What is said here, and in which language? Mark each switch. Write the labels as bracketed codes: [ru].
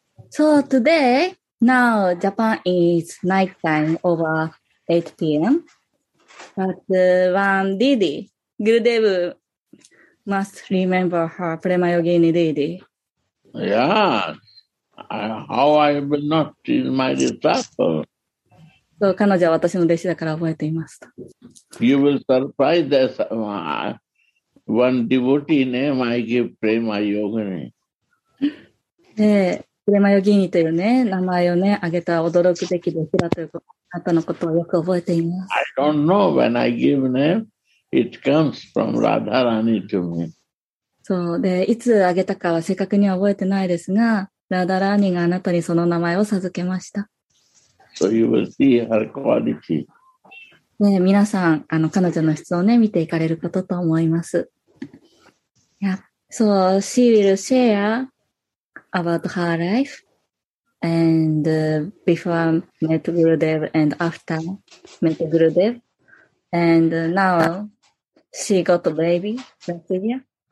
[en] So today, now Japan is nighttime over 8 p.m. But one Didi, Gurudev, must remember her, Prema Yogini Didi. Yeah, how I will not treat my disciple. [ja] So, 彼女は私の弟子だから覚えていました。 [en] You will surprise this one devotee name I give Prema Yogini. [ja] で、プレマヨギーニというね、名前をね、あげた驚くべき弟子だということ、あなたのことをよく覚えています。 [en] I don't know when I give name, it comes from Radharani to me. [ja] そう、で、いつあげたかは正確には覚えてないですが、ラダラーニがあなたにその名前を授けました。 [en] So you will see her quality. [ja] ね、皆さん、あの、彼女の質をね、見ていかれることと思います。 [en] Yeah. So, she will share about her life and before met Gurudev and after met Gurudev. And now she got a baby last year.